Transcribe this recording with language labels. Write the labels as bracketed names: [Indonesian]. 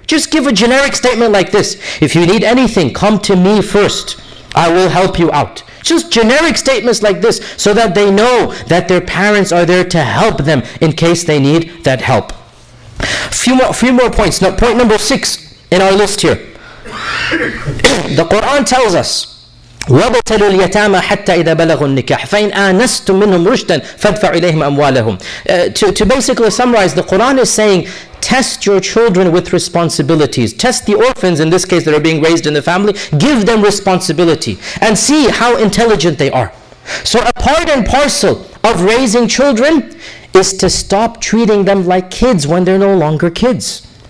[English] Just give a generic statement like this. If you need anything, come to me first. I will help you out. Just generic statements like this so that they know that their parents are there to help them in case they need that help. Few more points. Now, point number 6 in our list here. The Quran tells us, [Arabic] وَبَتَلُوا الْيَتَامَ حَتَّى إِذَا بَلَغُوا النِّكَاحَ فَإِنْ آنَسْتُم مِّنْهُمْ رُشْدًا فَادْفَعْ إِلَيْهِمْ أَمْوَالَهُمْ. [English] To basically summarize, the Quran is saying, Test your children with responsibilities. Test the orphans, in this case, that are being raised in the family. Give them responsibility and see how intelligent they are. So a part and parcel of raising children is to stop treating them like kids when they're no longer kids.